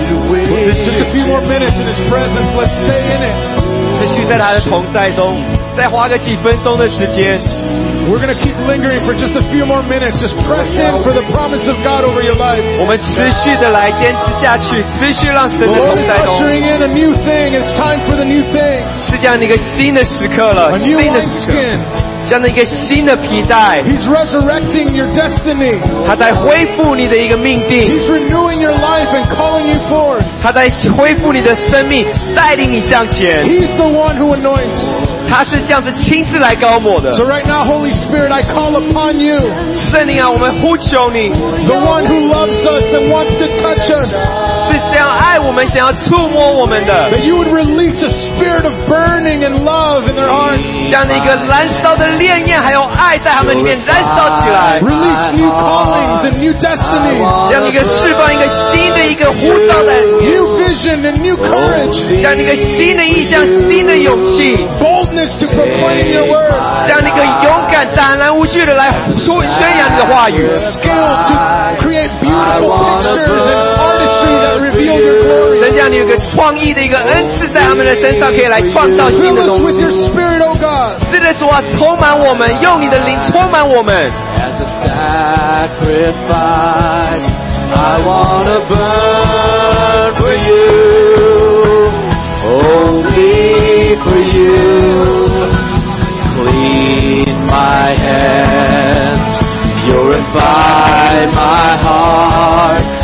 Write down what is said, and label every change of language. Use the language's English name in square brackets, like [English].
[English] With just a few more minutes in His presence, let's stay in it. [Chinese] 持续在他的同在中，再花个几分钟的时间。 [English] We're gonna keep lingering for just a few more minutes. Just press in for the promise of God over your life. [Chinese] 我们持续的来坚持下去，持续让神的同在中。 [English] Lord, we're ushering in a new thing. It's time for the new thing. [Chinese] 是这样一个新的时刻了，新的时刻。 [English] A new skin. [Chinese] 这样的一个新的皮带 [English] He's resurrecting your destiny. [Chinese] 他在恢复你的一个命定 [English] He's renewing your life and calling you forth. [Chinese] 他在恢复你的生命带领你向前 [English] He's the one who anoints. [Chinese] 他是这样子亲自来膏抹的 [English] So right now Holy Spirit I call upon you. [Chinese] 圣灵啊我们呼求你 [English] The one who loves us and wants to touch us. [Chinese] 是想爱我们想要触摸我们的 [English] That you would release a spirit of burning and love in their hearts. [Chinese] 这样的一个燃烧的烈焰还有爱在他们里面燃烧起来 [English] Release new callings and new destinies. [Chinese] 这样一个释放一个新的一个呼召在里面 [English] New vision and new courage. [Chinese] 将那个新的意象、新的勇气。 [English] Boldness to proclaim your word. [Chinese] 将那个勇敢、胆然无惧的来宣扬你的话语。 [English] Skill to create beautiful pictures and artistry that reveal your glory. [Chinese] 神将你有个创意的一个恩赐在他们的身上，可以来创造新的东西。 [English] Fill us with your spirit, O God. [Chinese] 是的，主啊，充满我们，用你的灵充满我们。 [English] As a sacrifice. I want to burn for you, only for you. Clean my hands, purify my heart.